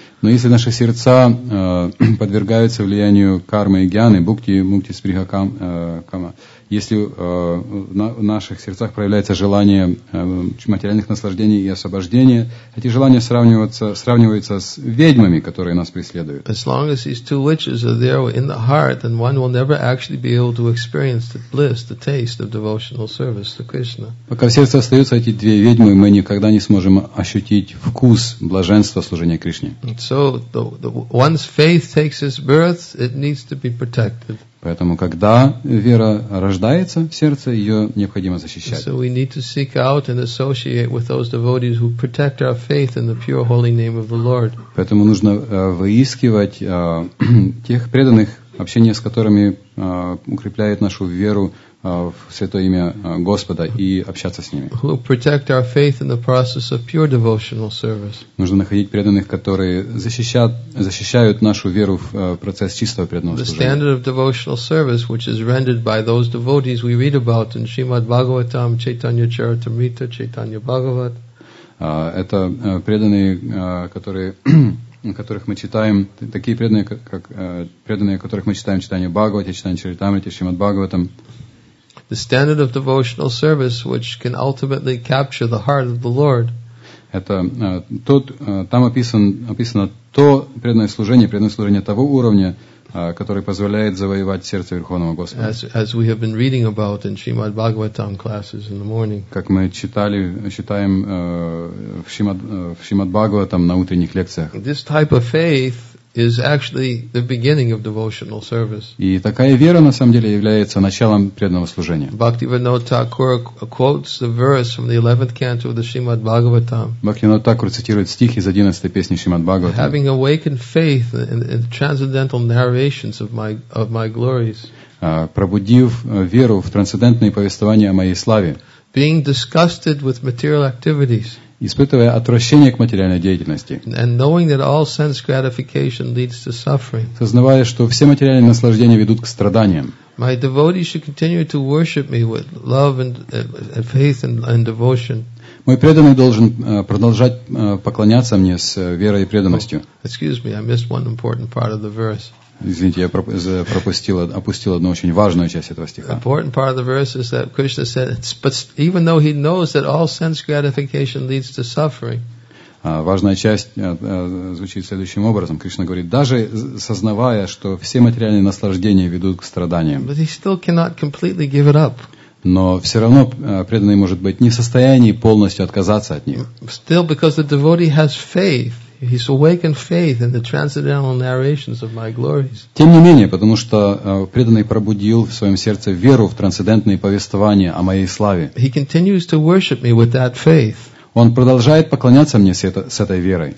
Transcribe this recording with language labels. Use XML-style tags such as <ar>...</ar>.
<ru>Но если наши сердца подвергаются влиянию кармы и гьяны, мукти, мукти, сприха, кама, если в наших сердцах проявляется желание материальных наслаждений и освобождения, эти желания сравниваются с ведьмами, которые нас преследуют.</ru> <en>As long as these two witches are there in the heart, then one will never actually be able to experience the bliss, the taste of devotional service to Krishna.</en> <ru>Пока в сердце остаются эти две ведьмы, мы никогда не сможем ощутить вкус блаженства служения Кришне.</ru> <en>So, once faith takes its birth, it needs to be protected.</en> <ru>Поэтому, когда вера рождается в сердце, ее необходимо защищать.</ru> <en>So we need to seek out and associate with those devotees who protect our faith in the pure holy name of the Lord.</en> <ru>Поэтому нужно выискивать тех преданных, общение с которыми укрепляет нашу веру в святое имя Господа и общаться с ними.</ru> <en>Who protect our faith in the process of pure devotional service.</en> <ru>Нужно находить преданных, которые защищают нашу веру в процесс чистого преданного служения.</ru> <en>The standard of devotional service, which is rendered by those devotees we read about in Srimad Bhagavatam, Chaitanya Charitamrita, Chaitanya Bhagavat.</en> <ru>Это преданные, которые... которых мы читаем, такие преданные, как преданные, которых мы читаем, читание Бхагавата, читание Чаритамриты, Шримад Бхагаватам.</ru> <en>The standard of devotional service, which can ultimately capture the heart of the Lord.</en> <ru>Это тот, там описано то преданное служение того уровня, который позволяет завоевать сердце Верховного Господа.</ru> <en>As we have been reading about in Shrimad Bhagavatam classes in the morning.</en> <ru>Как мы читаем в Шримад Бхагаватам на утренних лекциях.</ru> <en>This type of faith is actually the beginning of devotional service.</en> <ru>И такая вера на самом деле является началом преданного служения.</ru> <en>Bhaktivinoda Thakur quotes the verse from the 11th canto of the Shrimad Bhagavatam.</en> <ru>Bhaktivinoda Thakur цитирует стих из 11-й песни Шримад Бхагаватам.</ru> <en>Having awakened faith in the transcendental narrations of my glories.</en> <ru>Пробудив веру в трансцендентные повествования о моей славе.</ru> <en>Being disgusted with material activities.</en> <ru>Испытывая отвращение к материальной деятельности.</ru> <en>And knowing that all sense gratification leads to suffering.</en> <ru>Сознавая, что все материальные наслаждения ведут к страданиям.</ru> <en>My devotees should continue to worship me with love and faith and devotion.</en> <ru>Мой преданный должен продолжать поклоняться мне с верой и преданностью.</ru> <en>Excuse me, I missed one important part of the verse.</en> <ru>Извините, я опустил одну очень важную часть этого стиха.</ru> <en>Important part of the verse is that Krishna said, but even though he knows that all sense gratification leads to suffering.</en> <ru>Важная часть звучит следующим образом. Кришна говорит, даже сознавая, что все материальные наслаждения ведут к страданиям.</ru> <en>But he still cannot completely give it up.</en> <ru>Но все равно преданный может быть не в состоянии полностью отказаться от них.</ru> <en>Still, because the devotee has faith, he's awakened faith in the transcendental narrations of my glories.</en> <ru>Тем не менее, потому что преданный пробудил в своем сердце веру в трансцендентные повествования о моей славе.</ru> <en>He continues to worship me with that faith.</en> <ru>Он продолжает поклоняться мне с этой верой.</ru>